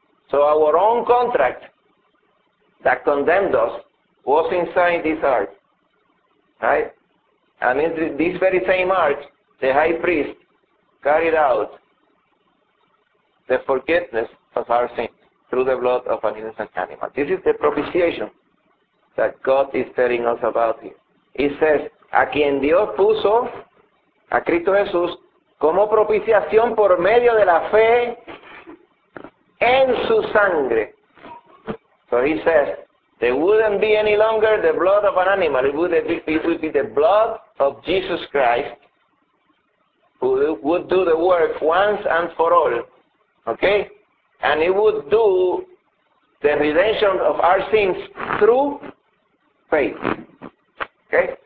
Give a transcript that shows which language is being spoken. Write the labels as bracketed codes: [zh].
[en] So our own contract that condemned us was inside this ark, right? And in this very same ark, the high priest carried out the forgiveness of our sins through the blood of an innocent animal. This is the propitiation that God is telling us about here. He says, [es] a quien Dios puso, a Cristo Jesús, como propiciación por medio de la fe en su sangre. [en] So he says, there wouldn't be any longer the blood of an animal. It would be the blood of Jesus Christ who would do the work once and for all. Okay? And he would do the redemption of our sins through faith. Okay?